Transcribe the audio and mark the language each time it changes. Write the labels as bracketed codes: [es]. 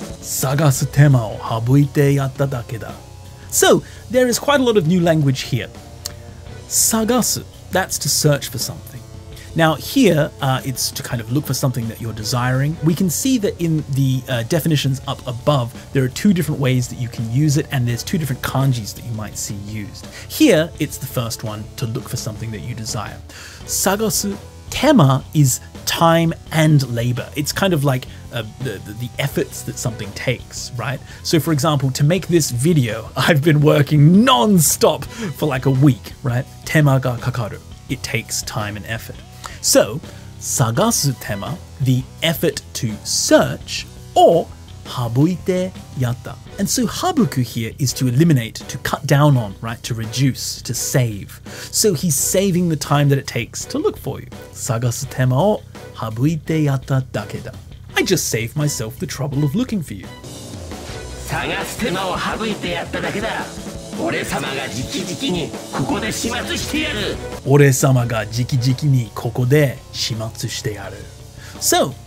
[ja] 探す手間を省いてやっただけだ。 [en] So, there is quite a lot of new language here. 探す, that's to search for something. Now, here, it's to kind of look for something that you're desiring. We can see that in the definitions up above, there are two different ways that you can use it, and there's two different kanjis that you might see used. Here, it's the first one, to look for something that you desire. [ja] 探す手間 [en] is time and labor. It's kind of like... the efforts that something takes, right? So for example, to make this video, I've been working non-stop for like a week, right? [ja] 手間がかかる. [en] It takes time and effort. So, [ja] 探す手間, [en] the effort to search, or [ja] 省いてやった. [en] And so 省く here is to eliminate, to cut down on, right? To reduce, to save. So he's saving the time that it takes to look for you. [ja] 探す手間を省いてやっただけだ. [en] I just saved myself the trouble of looking for you. [ja] 探す手間を省いてやっただけだ。俺様がじきじきにここで始末してやる。俺様がじきじきにここで始末してやる。So,